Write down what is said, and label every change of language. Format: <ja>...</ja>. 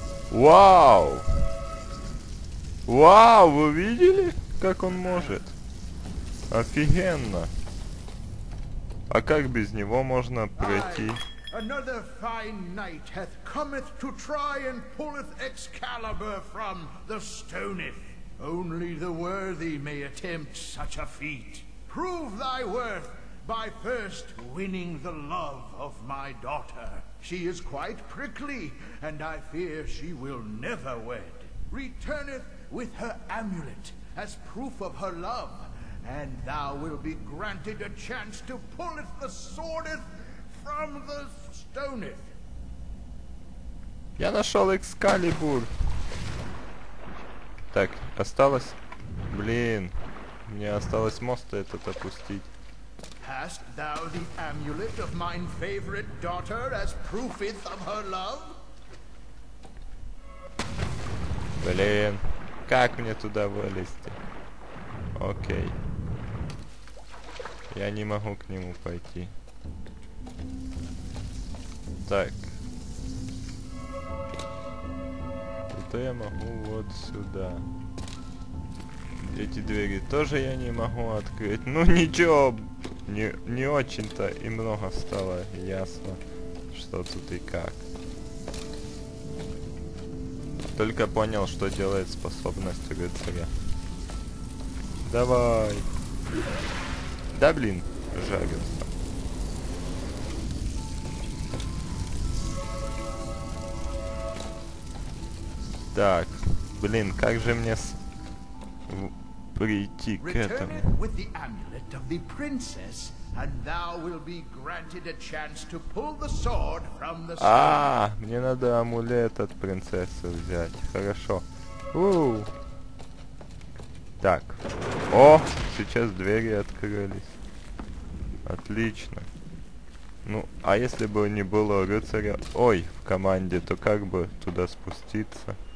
<ru>Вау! Вау, вы видели, как он может? Офигенно! А как без него можно пройти?</ru> <en>Another fine knight hath cometh to try and pulleth Excalibur from the stoneth. Only the worthy may attempt such a feat. Prove thy worth, by first winning the love of my daughter. She is quite prickly, and I fear she will never wed. Returneth with her amulet as proof of her love, and thou will be granted a chance to pulleth the swordeth from the stoneth.</en> <ru>Я нашел Экскалибур. Так, осталось... Блин, мне осталось мост этот опустить.</ru> <en>Hast thou the amulet of mine favorite daughter as proofeth of her love?</en> <ru>Блин, как мне туда вылезти? Окей. Я не могу к нему пойти. Так. То я могу вот сюда. Эти двери тоже я не могу открыть. Ну ничего, не очень-то и много стало ясно, что тут и как. Только понял, что делает способность рыцаря. Давай. Да блин, жарится. Так, блин, как же мне прийти к этому?</ru> <en>Return with the amulet of the princess, and thou will be granted a chance to pull the sword from the stone.</en> <ru>А, мне надо амулет от принцессы взять. Хорошо. Уу. Так. О, сейчас двери открылись. Отлично. Ну, а если бы не было рыцаря, ой, в команде, то как бы туда спуститься?</ru>